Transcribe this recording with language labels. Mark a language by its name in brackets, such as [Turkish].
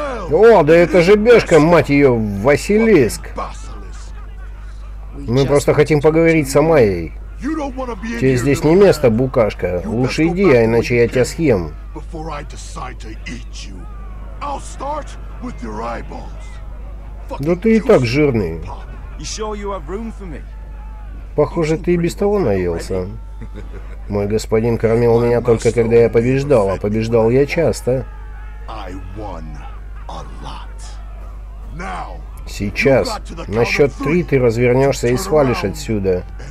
[Russian] О, да это же Бешка, мать ее, Василиск. Мы просто хотим поговорить с Амайей. Тебе здесь не место, букашка. Лучше иди, а иначе я тебя съем. [English] Before I decide to eat you, I'll start with your eyeballs. [Russian] Да ты и так жирный. [English] You sure you have room for me? [Russian] Похоже, ты и без того наелся. Мой господин кормил меня только когда я побеждал, а побеждал я часто. [English] I won a lot. Now, [Russian] сейчас, на счет три ты развернешься и свалишь отсюда.